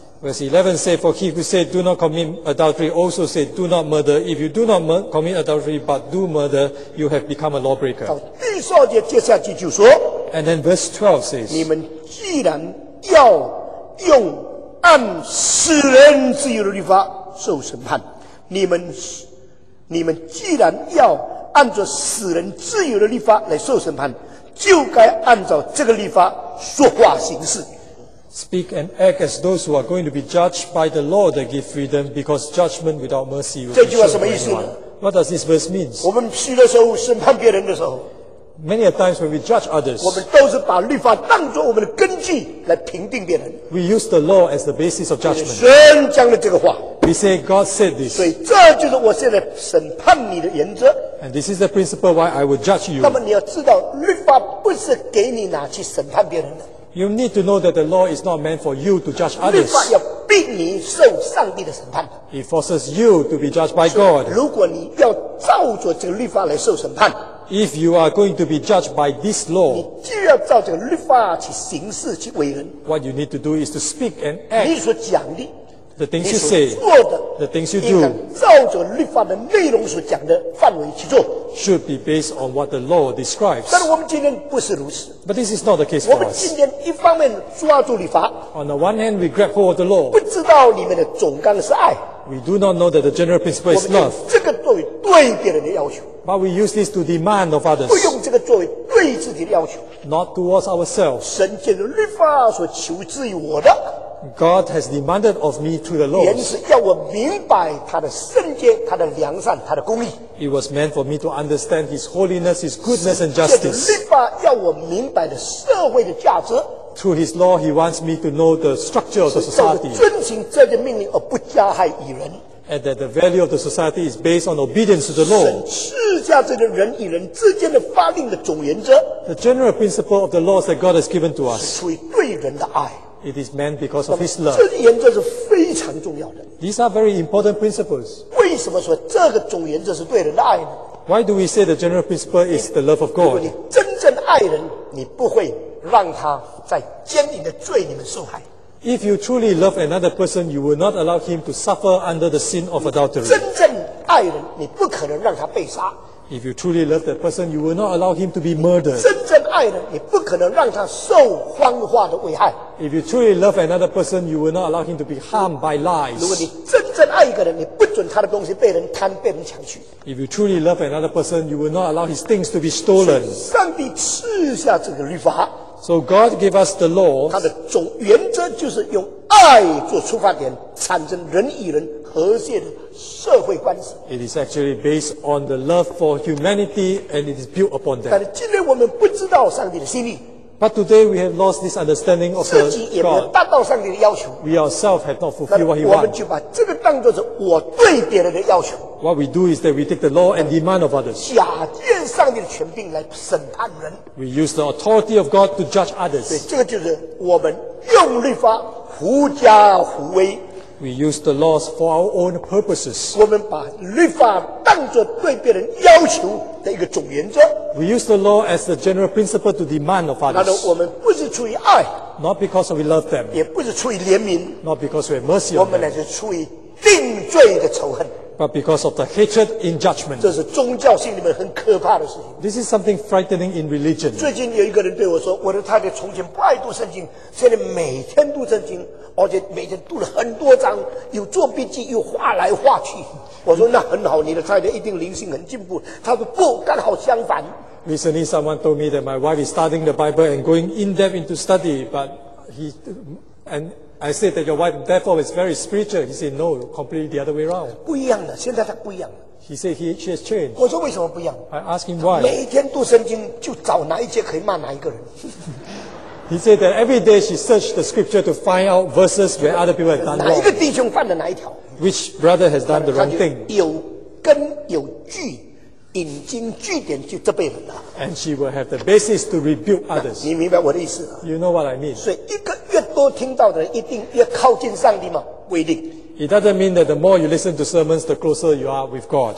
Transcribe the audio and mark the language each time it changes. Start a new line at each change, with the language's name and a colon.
English: Verse 11 says, For he who said do not commit adultery also said do not murder. If you do not commit adultery but do murder, you have become a lawbreaker.
Chinese: 第十二节接下去就说
English: And then verse 12 says,
Chinese: 你们既然要用按世人自由的律法受审判。你们既然要按照世人自由的律法来受审判，就该按照这个律法说话行事。
English: Speak and act as those who are going to be judged by the law that give freedom, because judgment without mercy will be sure of anyone. What does this verse mean?
Chinese: 我们许多时候审判别人的时候，
English: many a times when we judge others,
Chinese: 我们都是把律法当作我们的根据来评定别人。
English: We use the law as the basis of judgment.
Chinese: 神讲了这个话。
English: We say God said this.
Chinese: 所以这就是我现在审判你的原则。
English: And this is the principle why I will judge you.
Chinese: 那么你要知道，律法不是给你拿去审判别人的。
English: You need to know that the law is not meant for you to judge others.
Chinese: 律法要逼你受上帝的审判。
English: It forces you to be judged by God.
Chinese: 如果你要照着这个律法来受审判，
English: if you are going to be judged by this law,
Chinese: 你就要照这个律法去行事去为人。
English: What you need to do is to speak and act.
Chinese: 你所讲的，
English: the things you say,
Chinese: 你所做的，
English: the things you do,
Chinese: 应该照着律法的内容所讲的范围去做。
English: Should be based on what the law describes.
Chinese: 但是我们今天不是如此。
English: But this is not the case.
Chinese: 我们今天一方面抓住律法。
English: On the one hand, we grab hold of the law.
Chinese: 不知道里面的总纲是爱。
English: We do not know that the general principle is love.
Chinese: 我们用这个作为对别人的要求。
English: But we use this to demand of others.
Chinese: 不用这个作为对自己的要求。
English: Not towards ourselves.
Chinese: 神借着律法所求之于我的。
English: God has demanded of me through the law.
Chinese: 原是要我明白他的圣洁、他的良善、他的公义。
English: It was meant for me to understand His holiness, His goodness, and justice.
Chinese: 借着律法要我明白的社会的价值。
English: Through His law, He wants me to know the structure of the society.
Chinese: 遵行这个命令而不加害于人。
English: And that the value of the society is based on obedience to the law.
Chinese: 神赐下这个人与人之间的法令的总原则。
English: The general principle of the laws that God has given to us.
Chinese: 是出于对人的爱。
English: It is meant because of His love.
Chinese: 这个原则是非常重要的。
English: These are very important principles.
Chinese: 为什么说这个总原则是对人的爱呢？
English: Why do we say the general principle is the love of God?
Chinese: 如果你真正爱人，你不会让他在奸淫的罪里面受害。
English: If you truly love another person, you will not allow him to suffer under the sin of adultery.
Chinese: 真正爱人，你不可能让他被杀。
English: If you truly love that person, you will not allow him to be murdered.
Chinese: 真正爱人，你不可能让他受谎话的危害。
English: If you truly love another person, you will not allow him to be harmed by lies.
Chinese: 如果你真正爱一个人，你不准他的东西被人贪、被人抢去。
English: If you truly love another person, you will not allow his things to be stolen.
Chinese: 上帝赐下这个律法。
English: So God gave us the law.
Chinese: 它的总原则就是用爱做出发点，产生人与人和谐的社会关系。
English: It is actually based on the love for humanity, and it is built upon that.
Chinese: 但是今天我们不知道上帝的心意。
English: But today we have lost this understanding of God.
Chinese: 自己也没有达到上帝的要求。
English: We ourselves have not fulfilled what He wants.
Chinese: 我们就把这个当作是我对别人的要求。
English: What we do is that we take the law and demand of others.
Chinese: 假借上帝的权柄来审判人。
English: We use the authority of God to judge others.
Chinese: 对，这个就是我们用律法狐假虎威。
English: We use the laws for our own purposes.
Chinese: 我们把律法当作对别人要求的一个总原则。
English: We use the law as the general principle to demand of others.
Chinese: 那我们不是出于爱，
English: not because we love them，
Chinese: 也不是出于怜悯，
English: not because we have mercy on them，
Chinese: 我们乃是出于定罪的仇恨，
English: but because of the hatred in judgment.
Chinese: 这是宗教性里面很可怕的事情。
English: This is something frightening in religion.
Chinese: 最近有一个人对我说，我的太太从前不爱读圣经，现在每天读圣经，而且每天读了很多章，又做笔记，又画来画去。我说那很好，你的太太一定灵性很进步。他说不，刚好相反。
English: Recently, someone told me that my wife is studying the Bible and going in depth into study, but I said that your wife therefore is very spiritual. He said no, completely the other way around.
Chinese: 不一样了，现在他不一样了。
English: He said she has changed.
Chinese: 我说为什么不一样？
English: I asked him why.
Chinese: 每天读圣经，就找哪一节可以骂哪一个人。
English: He said that every day she searched the scripture to find out verses where other people have done wrong.
Chinese: 哪一个弟兄犯了哪一条？
English: Which brother has done the wrong thing?
Chinese: 有根有据，引经据典去责备人的。
English: And she will have the basis to rebuke others.
Chinese: 你明白我的意思？
English: You know what I mean?
Chinese: 所以一个越多听到的人，一定越靠近上帝吗？不一定。
English: It doesn't mean that the more you listen to sermons, the closer you are with God.